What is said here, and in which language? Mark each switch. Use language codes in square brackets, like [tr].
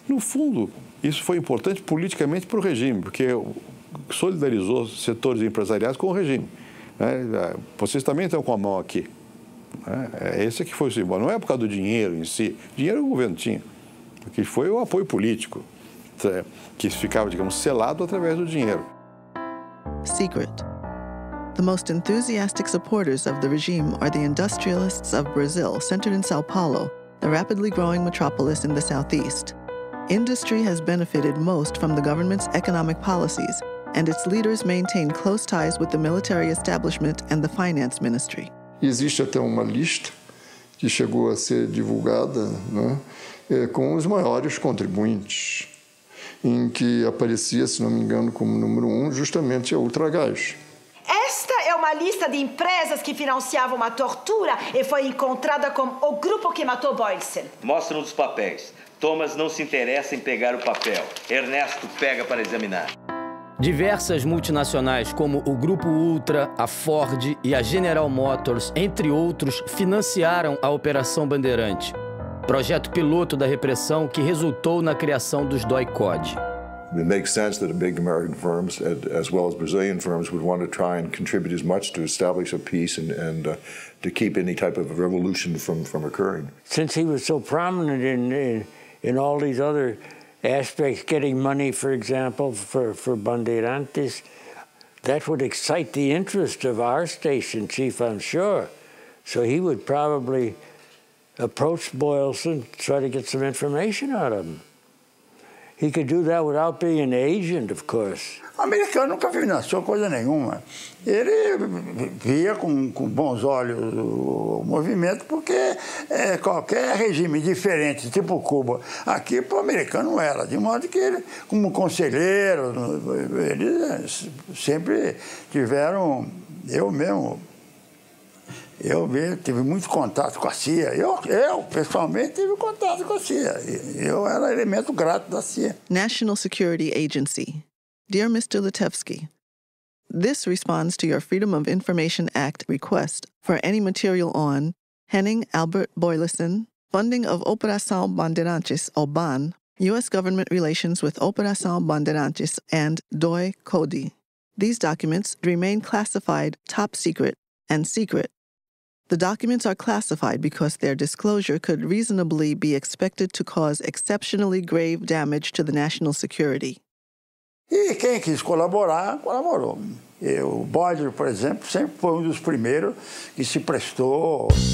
[pt] No fundo, isso foi importante politicamente para o regime, porque solidarizou setores empresariais com o regime. Vocês também estão com a mão aqui. Esse é que foi o símbolo. Não é por causa do dinheiro em si. Dinheiro o governo tinha. O que foi o apoio político, que ficava, digamos, selado através do dinheiro. [en] Secret. The most enthusiastic supporters of the regime are the industrialists of Brazil, centered in São Paulo, the rapidly growing metropolis in the southeast. Industry has benefited most from the government's economic policies, and its leaders maintain close ties with the military establishment and the finance ministry. [pt] Existe até uma lista que chegou a ser divulgada, né, com os maiores contribuintes, em que aparecia, se não me engano, como número um, justamente a Ultragás. Esta é uma lista de empresas que financiavam a tortura e foi encontrada com o grupo que matou Boylsen. Mostra-nos os papéis. Thomas não se interessa em pegar o papel. Ernesto pega para examinar. Diversas multinacionais, como o Grupo Ultra, a Ford e a General Motors, entre outros, financiaram a Operação Bandeirante, projeto piloto da repressão que resultou na criação dos DOI-COD. [en] It makes sense that big American firms, as well as Brazilian firms, would want to try and contribute as much to establish a peace and to keep any type of revolution from occurring. Since he was so prominent in all these other aspects, getting money, for example, for Bandeirantes, that would excite the interest of our station chief, I'm sure. So he would probably approach Boylsen, try to get some information out of him. He could do that without being an agent, of course. [pt] O americano nunca financiou coisa nenhuma. Ele via com bons olhos o movimento, porque qualquer regime diferente, tipo Cuba, aqui para o americano era. De modo que ele, como conselheiro, eles sempre tiveram, eu mesmo tive muito contato com a CIA. Eu pessoalmente, tive contato com a CIA. Eu era elemento grato da CIA. [en] National Security Agency. Dear Mr. Litevsky, this responds to your Freedom of Information Act request for any material on Henning Albert Boylsen, funding of Operação Bandeirantes, OBAN, U.S. government relations with Operação Bandeirantes and DOI-CODI. These documents remain classified top secret and secret. The documents are classified because their disclosure could reasonably be expected to cause exceptionally grave damage to the national security. [pt] E quem quis colaborar, colaborou. O Boyder, por exemplo, sempre foi um dos primeiros que se prestou.